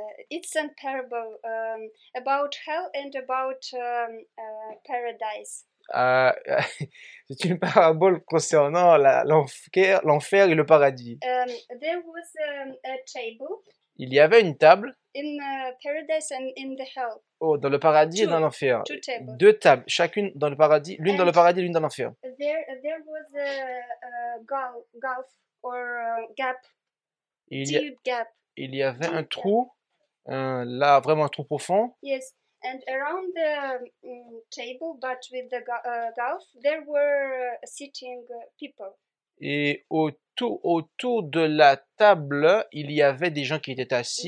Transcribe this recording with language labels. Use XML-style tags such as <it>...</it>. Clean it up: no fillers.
<en>It's a parable about hell and about paradise.</en> <fr>C'est une parabole concernant l'enfer et le paradis.</fr> <en>There was a table.</en> <fr>Il y avait une table.</fr> <en>In the paradise and in the hell.</en> <fr>Oh, dans le paradis et dans l'enfer.</fr> <en>Two tables.</en> <fr>Deux tables, chacune dans le paradis, l'une dans le paradis, l'une dans l'enfer.</fr> <en>There was a gulf or a gap. Deep gap.</en> <fr>Il y avait deep un trou, là vraiment un trou profond.</fr> <en>Yes. And around the table, but with the gulf, there were sitting people.</en> <fr>Et autour de la table, il y avait des gens qui étaient assis.</fr>